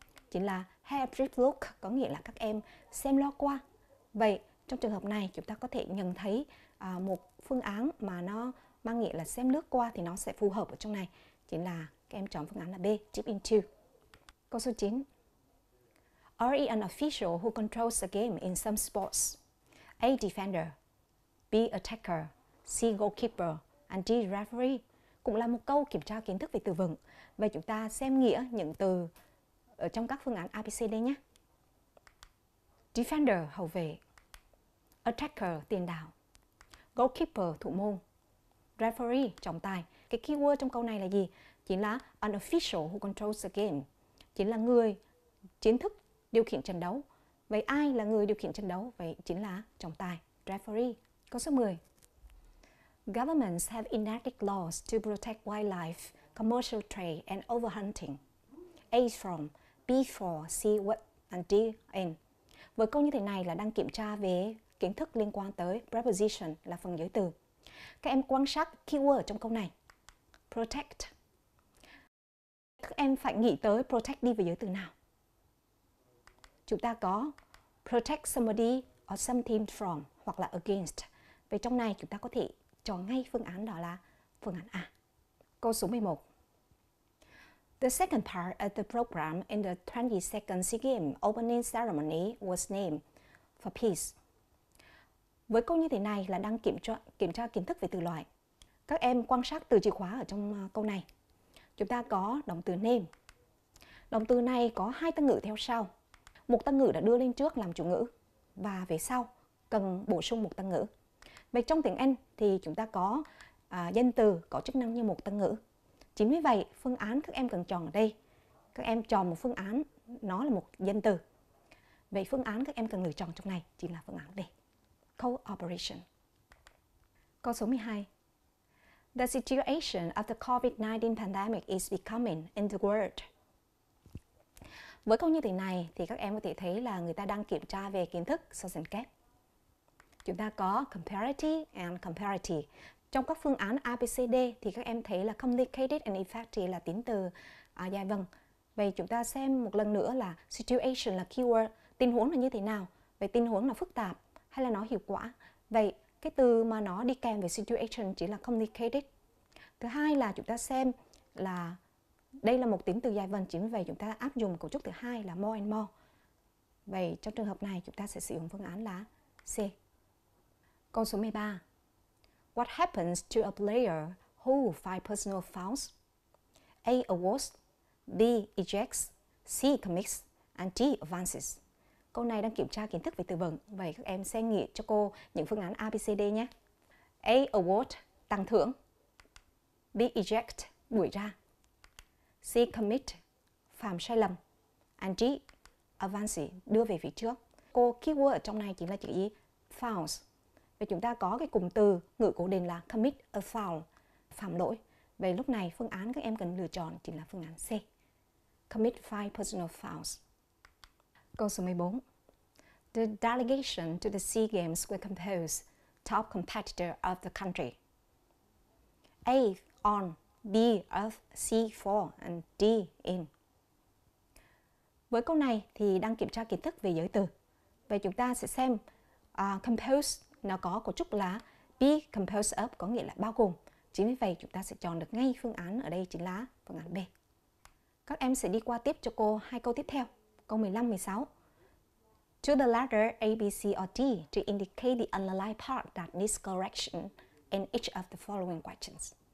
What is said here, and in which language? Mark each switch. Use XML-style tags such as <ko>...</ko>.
<vi>Chính là</vi> <en>have a brief look,</en> <vi>có nghĩa là các em xem lo qua. Vậy trong trường hợp này chúng ta có thể nhận thấy một phương án mà nó mang nghĩa là xem lướt qua thì nó sẽ phù hợp ở trong này. Chính là các em chọn phương án là B, dip into. Câu số 9.</vi> <en>Are you an official who controls the game in some sports? A. Defender. B. Attacker. C. Goalkeeper. And D. Referee.</en> <vi>Cũng là một câu kiểm tra kiến thức về từ vựng. Vậy chúng ta xem nghĩa những từ ở trong các phương án ABCD nhé. Defender, hậu vệ. Attacker, tiền đạo. Goalkeeper, thủ môn. Referee, trọng tài. Cái keyword trong câu này là gì? Chính là</vi> <en>an official who controls the game.</en> <vi>Chính là người chính thức điều khiển trận đấu. Vậy ai là người điều khiển trận đấu? Vậy chính là trọng tài, referee. Câu số 10.</vi> <en>Governments have enacted laws to protect wildlife, commercial trade, and overhunting. A from, B for, C what, and D in.</en> <vi>Với câu như thế này là đang kiểm tra về kiến thức liên quan tới preposition là phần giới từ. Các em quan sát keyword trong câu này. Protect. Các em phải nghĩ tới protect đi với giới từ nào? Chúng ta có</vi> <en>protect somebody or something from</en> <vi>hoặc là against. Vậy trong này chúng ta có thể chọn ngay phương án đó là phương án A. Câu số 11.</vi> <en>The second part of the program in the 22nd SEA Games opening ceremony was named for peace.</en> <vi>Với câu như thế này là đang kiểm tra kiến thức về từ loại. Các em quan sát từ chìa khóa ở trong câu này. Chúng ta có động từ name. Động từ này có hai tân ngữ theo sau. Một tân ngữ đã đưa lên trước làm chủ ngữ và về sau cần bổ sung một tân ngữ. Vậy trong tiếng Anh thì chúng ta có danh từ có chức năng như một tân ngữ. Chính vì vậy, phương án các em cần chọn ở đây. Các em chọn một phương án, nó là một danh từ. Vậy phương án các em cần lựa chọn trong này chính là phương án D. Cooperation. Câu số 12.</vi> <en>The situation of the COVID-19 pandemic is becoming in the world.</en> <vi>Với câu như thế này thì các em có thể thấy là người ta đang kiểm tra về kiến thức so sánh kép. Chúng ta có</vi> <en>comparative and comparative.</en> <vi>Trong các phương án ABCD thì các em thấy là</vi> <en>complicated and effective</en> <vi>là tính từ dài vần. Vậy chúng ta xem một lần nữa là situation là keyword, tình huống là như thế nào? Vậy tình huống là phức tạp hay là nó hiệu quả? Vậy cái từ mà nó đi kèm với situation chỉ là complicated. Thứ hai là chúng ta xem là đây là một tính từ dài vần, chính vì vậy chúng ta áp dụng cấu trúc thứ hai là</vi> <en>more and more.</en> <vi>Vậy trong trường hợp này chúng ta sẽ sử dụng phương án là C. Câu số 13.</vi> <en>What happens to a player who files personal fouls? A. Awards. B. Ejects. C. Commits. And D. Advances.</en> <vi>Câu này đang kiểm tra kiến thức về từ vựng. Vậy các em sẽ nghĩ cho cô những phương án A, B, C, D nhé. A. Award. Tăng thưởng. B. Eject. Đuổi ra. C. Commit. Phạm sai lầm. And D. Advances. Đưa về phía trước. Cô keyword ở trong này chính là chữ gì? Fouls. Vậy chúng ta có cái cụm từ ngữ cố định là</vi> <en>commit a foul,</en> <vi>phạm lỗi. Vậy lúc này phương án các em cần lựa chọn chính là phương án C.</vi> <en>Commit five personal fouls.</en> <vi>Câu số 14.</vi> <en>The delegation to the SEA Games were composed top competitor of the country. A. On. B. Of. C. For. And D. In.</en> <vi>Với câu này thì đang kiểm tra kiến thức về giới từ. Vậy chúng ta sẽ xem composed. Nó có cấu trúc là be composed of, có nghĩa là bao gồm. Chính vì vậy chúng ta sẽ chọn được ngay phương án ở đây chính là phương án B. Các em sẽ đi qua tiếp cho cô hai câu tiếp theo. Câu 15, 16.</vi> <en>Choose the letter A, B, C or D to indicate the underlying part that needs correction in each of the following questions.</en>